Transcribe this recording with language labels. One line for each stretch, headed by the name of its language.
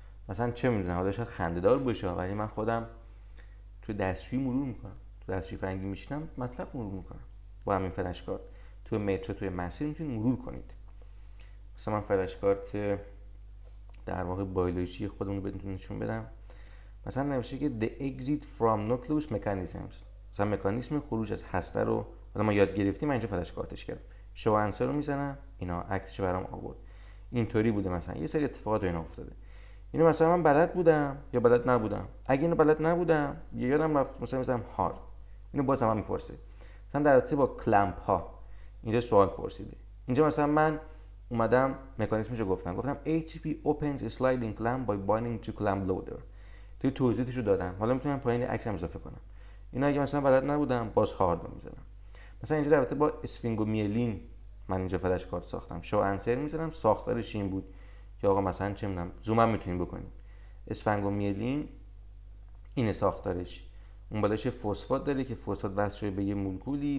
Persian: مثلا چه می‌دونم حالا شاید خنده‌دار باشه ولی من خودم توی دستشویی مرور می‌کنم. توی دستشویی فرنگی می‌شینم مطلب مرور می‌کنم. با همین فلش کارت توی مترو توی مسیر می‌تونید مرور کنید. مثلا من فلش کارت در واقع بیولوژی خودمون رو بتونم نشون بدم. مثلا نوشته که
English: the exit from nucleus mechanisms.
Persian: مثلا مکانیزم خروج از هسته رو ما یاد گرفتیم من اینجا فلش کارتش کردم. شو انسر رو میزنم اینا عکسش برام آورد. اینطوری بوده مثلا یه سری اتفاقات اینا افتاده. اینو مثلا من بلد بودم یا بلد نبودم. اگه اینو بلد نبودم یا یادم رفت مثلا میزنم هارد. اینو بازم من میپرسه. مثلا در رابطه با کلمپ ها اینجا سوال پرسیده. اینجا مثلا من اومدم مکانیزمشو گفتم. گفتم
English: HP opens sliding clamp by binding to clamp loader.
Persian: توی توضیحشو دادم. حالا میتونم پایین عکسم اضافه کنم. اینا اگه مثلا بلد نبودم باز هارد میزنم. مثلا اینجا رابطه با اسفینگومیلین من اینجا فلش کارت ساختم. شو انسر میزنم ساختارش این بود که آقا مثلا چه میدونم زوم هم میتونیم بکنیم. اسفینگومیلین اینه ساختارش. اون بالاش فسفات داره که فسفات بس شده به یه مولکولی.